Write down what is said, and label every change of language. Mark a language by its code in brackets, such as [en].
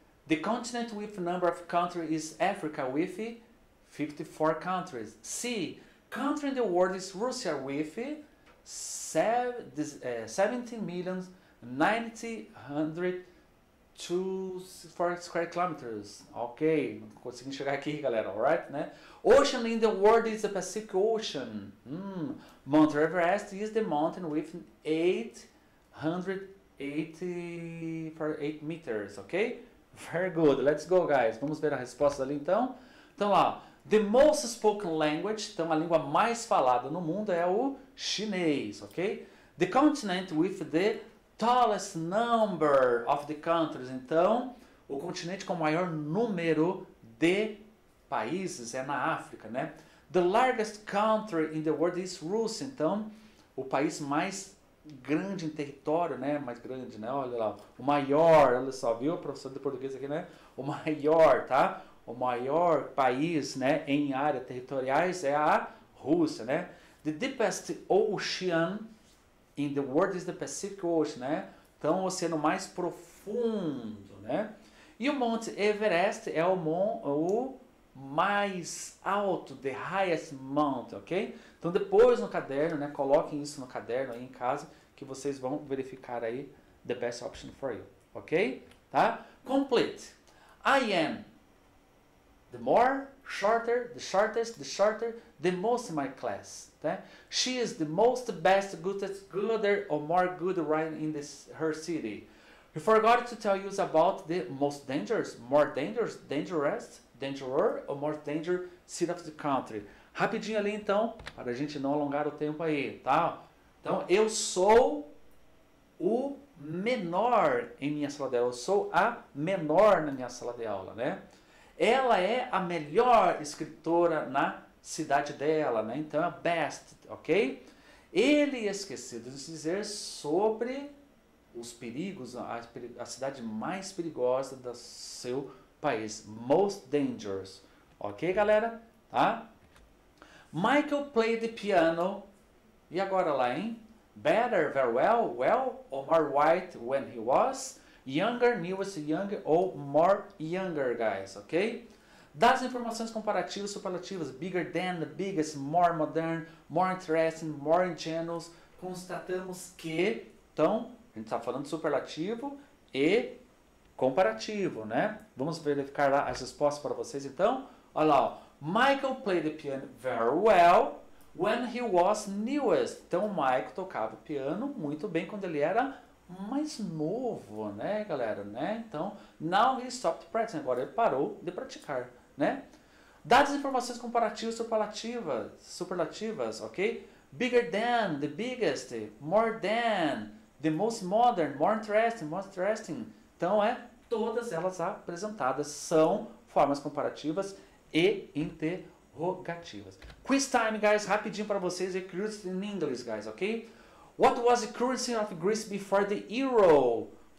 [en] The continent with number of countries is Africa with 54 countries. C. Country in the world is Russia with 17,902,000 square kilometers. [pt] Ok, não consegui enxergar aqui, galera, alright, né? [en] Ocean in the world is the Pacific Ocean. Mount Everest is the mountain with 888 meters, ok? Very good, let's go, guys. [pt] Vamos ver a resposta ali, então. Então, lá, [en] the most spoken language, [pt] então a língua mais falada no mundo é o chinês, ok? [en] The continent with the tallest number of the countries, [pt] então, o continente com maior número de países é na África, né? [en] The largest country in the world is Russia, [pt] então, o país mais grande em território, né? Mais grande, né? Olha lá, o maior, olha só, viu? O professor de português aqui, né? O maior, tá? O maior país, né, em área territoriais é a Rússia, né? [en] The deepest ocean in the world is the Pacific Ocean, né? [pt] Então, o oceano mais profundo, né? E o Monte Everest é o mais alto, [en] the highest mountain, [pt] ok? Então, depois no caderno, né, coloquem isso no caderno aí em casa, que vocês vão verificar aí [en] the best option for you, [pt] ok? Tá? [en] Complete. I am. The more, shorter, the shortest, the shorter, the most in my class. Tá? She is the most best, goodest, gooder or more good right in this her city. We forgot to tell you about the most dangerous, more dangerous, dangerous, dangerer or more dangerous city of the country. [pt] Rapidinho ali então, para a gente não alongar o tempo aí, tá? Então, eu sou o menor em minha sala de aula. Eu sou a menor na minha sala de aula, né? Ela é a melhor escritora na cidade dela, né? Então é a best, ok? Ele esqueceu de dizer sobre os perigos, a cidade mais perigosa do seu país. [en] Most dangerous. Ok, galera? Tá? Michael played the piano. [pt] E agora lá, hein? [en] Better, very well, well, or more white when he was? Younger, newest, younger, or more younger, guys, ok? [pt] Das informações comparativas, superlativas, [en] bigger than, the biggest, more modern, more interesting, more ingenious, [pt] constatamos que, então, a gente está falando superlativo e comparativo, né? Vamos verificar lá as respostas para vocês, então. Olha lá, ó. Michael played the piano very well when he was newest. Então, o Michael tocava piano muito bem quando ele era mais novo, né, galera, né? Então, [en] now he stopped practicing. [pt] Agora ele parou de praticar, né? Dados e informações comparativas superlativas, ok? [en] Bigger than, the biggest, more than, the most modern, more interesting. [pt] Então, é todas elas apresentadas são formas comparativas e interrogativas. [en] Quiz time, guys, [pt] rapidinho para vocês, [en] e curious in English, guys, ok? What was the currency of Greece before the euro?